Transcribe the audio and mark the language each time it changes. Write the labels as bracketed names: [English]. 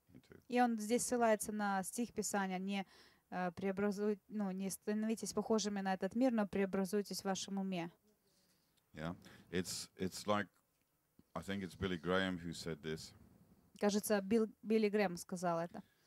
[English] Into. [Russian] И он здесь ссылается на стих Писания: "Не преобразуйтесь, ну, не становитесь похожими на этот мир, но преобразуйтесь в вашем уме." [English] Yeah, it's like, I think it's Billy Graham who said this. [Russian] Кажется, Билли Грэм сказал это.